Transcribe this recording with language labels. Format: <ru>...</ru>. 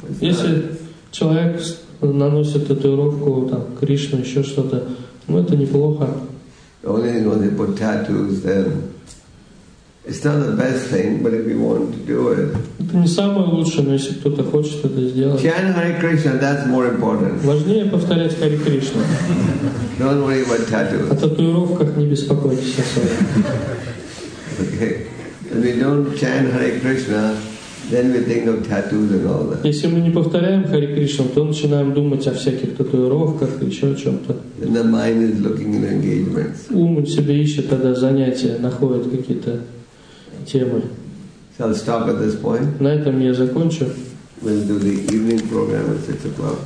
<ru>Если человек наносит татуировку там Кришну еще что-то, ну это неплохо.</ru> <en>The only thing when they put tattoos, then it's not the best thing. But if you want to do it,</en> <ru>это не самое лучшее, но если кто-то хочет это сделать.</ru> <en>Chant Hare Krishna. That's more important.</en> <ru>Важнее повторять Харе Кришну.</ru> <en>Don't worry about tattoos.</en> <ru>О татуировках не беспокойтесь особо.</ru> <en>Okay. If we don't chant Hare Krishna, then we think of tattoos and all that.</en> <ru>Если мы не повторяем Харе Кришну, то начинаем думать о всяких татуировках и еще о чем-то.</ru> <en>And the mind is looking in engagements.</en> <ru>Ум себе ищет тогда занятия, находит какие-то темы.</ru> <en>So I'll stop at this point.</en> <ru>На этом я закончу.</ru> <en>We'll do the evening program at 6 o'clock.</en>